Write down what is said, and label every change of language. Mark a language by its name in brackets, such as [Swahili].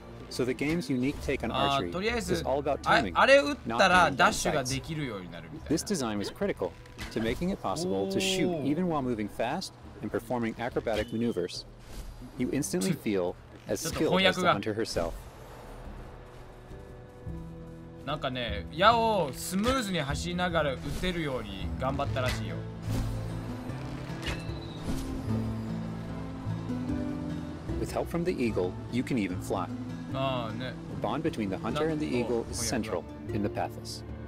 [English] So the game's unique take on archery is all about timing, not aiming at sights. This design was critical to making it possible to shoot even while moving fast and performing acrobatic maneuvers. You instantly feel as skilled as the hunter herself. [Japanese] なんかね、矢をスムーズに走りながら撃てるように頑張ったらしいよ。 [English] With help from the eagle, you can even fly. The bond between the hunter and the eagle is central in the Pathless.